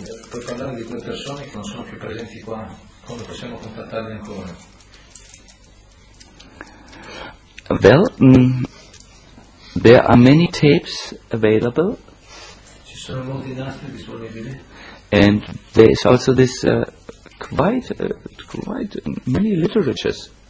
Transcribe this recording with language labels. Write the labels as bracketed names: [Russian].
[Italian] Puoi parlare di quelle persone che non sono più presenti qua, come possiamo contattarle ancora? [English] Well, there are many tapes available. [Italian] Ci sono molti nastri disponibili. [English] And there is also this quite many literatures.